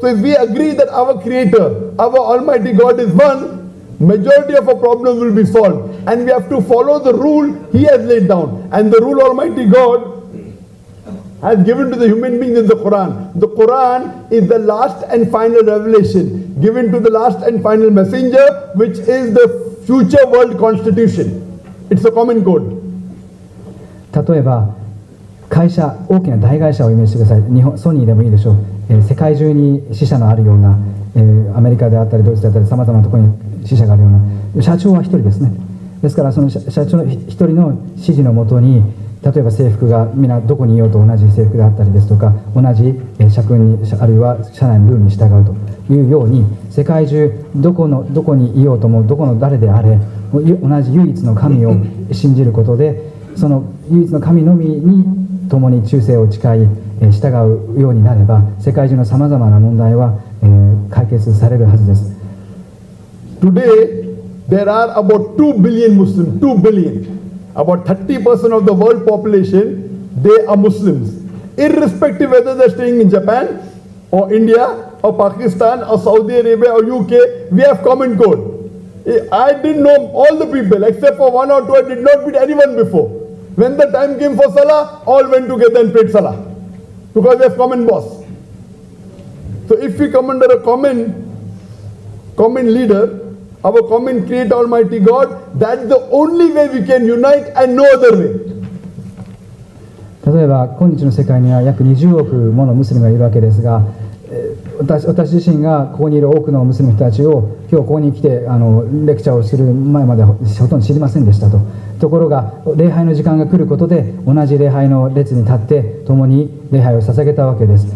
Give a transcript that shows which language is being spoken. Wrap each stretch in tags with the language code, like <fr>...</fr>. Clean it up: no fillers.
<en>So if we agree that our creator, our Almighty God is one,Majority of our problems will be solved, and we have to follow the rule He has laid down. And the rule, Almighty God, I've given to the human beings in the Quran. The Quran is the last and final revelation given to the last and final messenger, which is the future world constitution. It's a common code.</en> <ja>例えば会社、大きな大会社をイメージしてください。日本、ソニーでもいいでしょう。世界中に支社のあるような、アメリカであったりドイツであったり、さまざまなところに支社があるような社長は一人ですね。ですからその 社長の一人の指示のもとに、例えば制服がみんなどこにいようと同じ制服であったりですとか、同じ社訓に、あるいは社内のルールに従うというように、世界中どこにいようとも、どこの誰であれ、同じ唯一の神を信じることで、その唯一の神のみに共に忠誠を誓い従うようになれば、世界中のさまざまな問題は解決されるはずです。</ja> <en>Today there are about 2 billion Muslims, 2 billion, about 30% of the world population, they are Muslims, irrespective whether they're staying in Japan or India or Pakistan or Saudi Arabia or UK, we have common code. I didn't know all the people except for one or two. I did not meet anyone before. When the time came for Salah, all went together and prayed Salah because they have common boss. So if we come under a common leader, our common creator, almighty God, that's the only way we can unite and no other way.</en> <ja>例えば今日の世界には約20億ものムスリムがいるわけですが、私自身がここにいる多くのムスリム人たちを今日ここに来てレクチャーをする前まで ほとんど知りませんでしたと。ところが礼拝の時間が来ることで、同じ礼拝の列に立って共に礼拝を捧げたわけです。</ja>